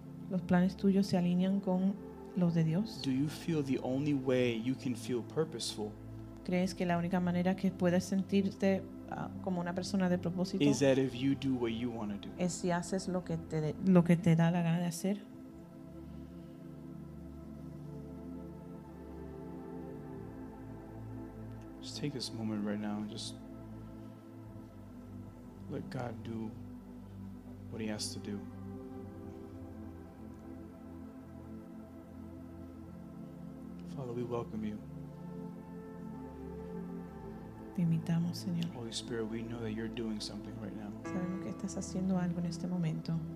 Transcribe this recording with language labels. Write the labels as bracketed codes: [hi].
[es] ¿Los planes tuyos se alinean con los de Dios? [en] Do you feel the only way you can feel purposeful, [es] crees que la única manera que puedes sentirte como una persona de propósito, [en] is that if you do what you want to do, [es] es si haces lo que te da la gana de hacer? [en] Just take this moment right now and just let God do what he has to do. Father, we welcome you. [es] Invitamos, Señor. [en] Holy Spirit, we know that you're doing something right now. [es] Sabemos que estás haciendo algo en este momento.